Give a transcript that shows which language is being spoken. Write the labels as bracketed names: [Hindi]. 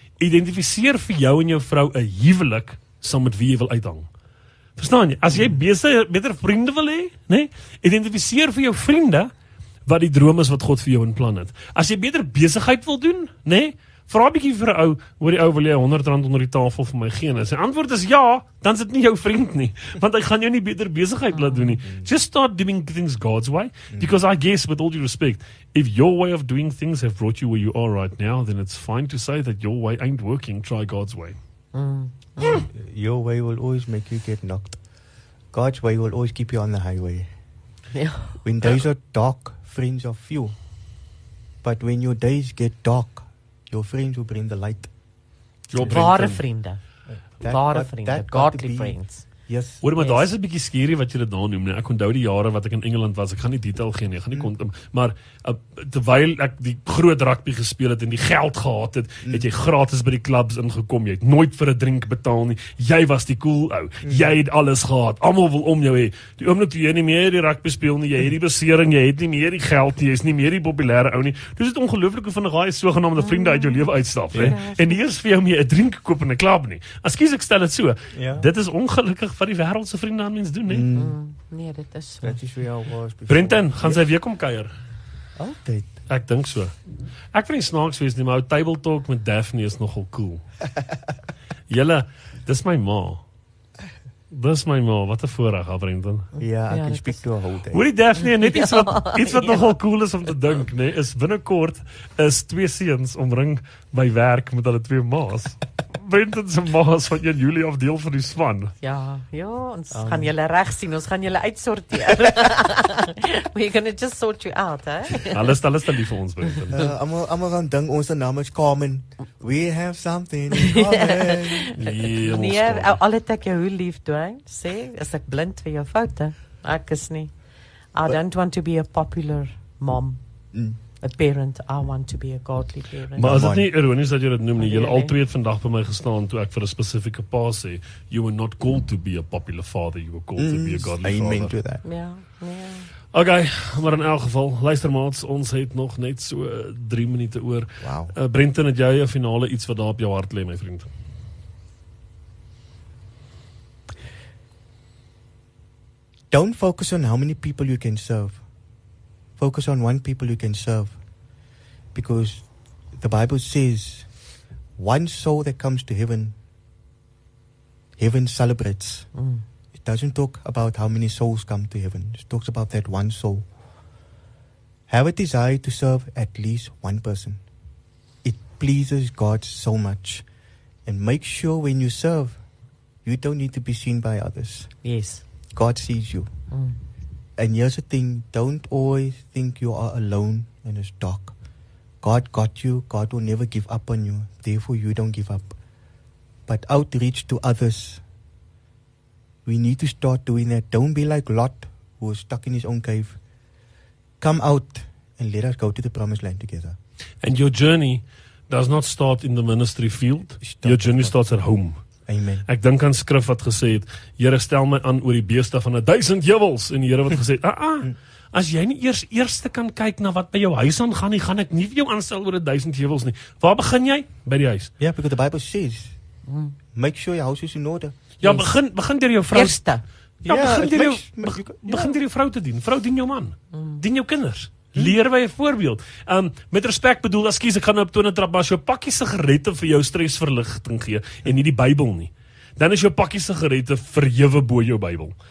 [Afrikaans] Identifiseer vir jou en jou vrou 'n huwelik saam met wie jy wil uithang. Verstaan jy? As jy beter vriende wil hê, nee, identifiseer vir jou vriende wat die droom is wat God vir jou in plan het. As jy beter besigheid wil doen, nee, vra bietjie vir 'n ou, hoor die ou, wil jy 100 rand onder die tafel vir my gee? En sy antwoord is ja, dan is dit nie jou vriend nie, want hy gaan jou nie beter besigheid laat doen nie. [English] Just start doing things God's way, because I guess, with all due respect, if your way of doing things have brought you where you are right now, then it's fine to say that your way ain't working, try God's way. Your way will always make you get knocked. God's way will always keep you on the highway. Yeah. When days are dark, friends are few. But when your days get dark, your friends will bring the light. [Afrikaans] Ware vriende. Ware vriende. [English] Godly friends. Yes. [Afrikaans] Oor, maar daar is 'n bietjie skierie wat jy dit daar noem, nee. Ek onthou die jare wat ek in Engeland was. Ek gaan nie detail gee nie. Ek gaan nie kon, maar terwyl ek die groot rugby gespeel het en die geld gehad het, het jy gratis by die clubs ingekom. Jy het nooit vir 'n drink betaal nie. Jy was die cool ou. Jy het alles gehad. Almal wil om jou hê. Die oomblik jy nie meer die rugby speel nie, jy het die besering, jy het nie meer die geld nie, jy is nie meer die populêre ou nie. Dis dit ongelooflik hoe van daai sogenaamde vriende uit jou lewe uitstap, hè. En nie eens vir jou meer 'n drink koop in 'n club nie. Ekskuus, ek stel dit so. Dit is ongelukkig wat die wêreldse vriende aan mens doen, hè. Nee, dit is so. [English] That is where I was before. [Afrikaans] Brenton, gaan sy weer kom kuier? Altyd. Ek dink so. Ek vind die snaaks wees nie, maar ou table talk met Daphne is nogal cool. Julle, dis my ma. Dis my ma, wat 'n voorreg, Brenton. Ja, ek kan [English] speak to a whole day. [Afrikaans] Hoor die Daphne, net iets wat nogal cool is om te dink, nê, is binnenkort is twee seuns omring by werk met hulle twee ma's. Brenton se ma's van 1 Julie af deel van die span. Ja, ja, ons gaan julle reg sien, ons gaan julle uitsorteer. [English] We're gonna just sort you out, hè? [Afrikaans] Alles dan lief vir ons, Brenton. Almal gaan dink ons se naam is Carmen. [English] We have something in common. [Afrikaans] Nee, al het ek jou hoe lief, Dwain. Sê, is ek blind vir jou foute? Ek is nie. [English] I don't want to be a popular mom. A parent, I want to be a godly parent. [Afrikaans] Maar is dit nie ironies dat jy dit noem nie? Jylle al twee het vandag by my gestaan toe ek vir 'n spesifieke pa sê, [English] you were not called to be a popular father, you were called to be a godly father. Amen to that. [Afrikaans] Ja, ja. Okay, maar in elk geval, luister maats, ons het nog net so 3 minute oor. Wow. Brenton, het jy 'n finale iets wat daar op jou hart lê, my vriend? [English] Don't focus on how many people you can serve. Focus on one people you can serve. Because the Bible says, one soul that comes to heaven, heaven celebrates. Mm. It doesn't talk about how many souls come to heaven. It talks about that one soul. Have a desire to serve at least one person. It pleases God so much. And make sure when you serve, you don't need to be seen by others. Yes. God sees you. Mm. And here's the thing, don't always think you are alone and it's dark. God got you, God will never give up on you, therefore you don't give up. But outreach to others. We need to start doing that. Don't be like Lot, who is stuck in his own cave. Come out and let us go to the promised land together. And your journey does not start in the ministry field, your journey starts at home. Amen. [Afrikaans] Ek dink aan skrif wat gesê het, Here stel my aan oor die beeste van 1000 heuwels. En die Here wat gesê het, as jy nie eerste kan kyk na wat by jou huis aangaan nie, gaan ek nie vir jou aanstel oor 1000 heuwels nie. Waar begin jy? By die huis. [English] Yeah, because the Bible says, make sure your house is in order. [Afrikaans] Ja, begin deur jou vrou. Eerste. Ja, begin deur jou vrou te dien. Vrou dien jou man. Dien jou kinders. Leer by 'n voorbeeld. Met respek bedoel, ekskuus, ek gaan nou op tone trap, maar as jou pakkie sigarette vir jou stresverligting gee en nie die Bybel nie, dan is jou pakkie sigarette verhewe bo jou Bybel.